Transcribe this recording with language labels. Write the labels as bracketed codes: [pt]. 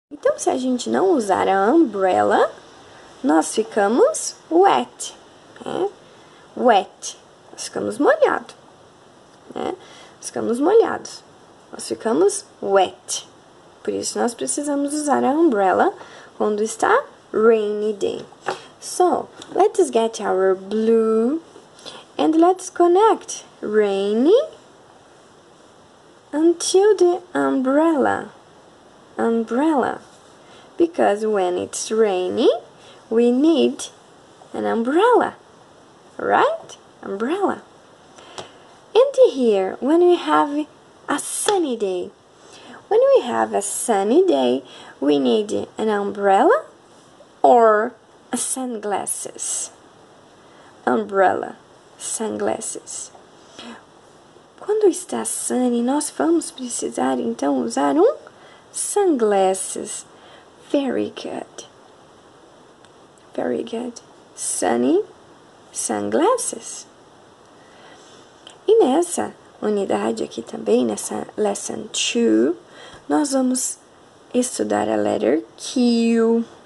[pt] Então, se a gente não usar a umbrella, nós ficamos wet, né? Wet, nós ficamos molhado, né? Nós ficamos molhados, nós ficamos wet. Por isso, nós precisamos usar a umbrella quando está rainy day. [en] So, let's get our blue and let's connect rainy until the umbrella. Umbrella. Because when it's rainy, we need an umbrella, right? Umbrella. And here, when we have a sunny day, when we have a sunny day, we need an umbrella or sunglasses. Umbrella, sunglasses. [pt] Quando está sunny, nós vamos precisar então usar um sunglasses. [en] Very good. Very good. Sunny sunglasses. [pt] E nessa unidade aqui também, nessa lesson 2, nós vamos estudar a letter Q.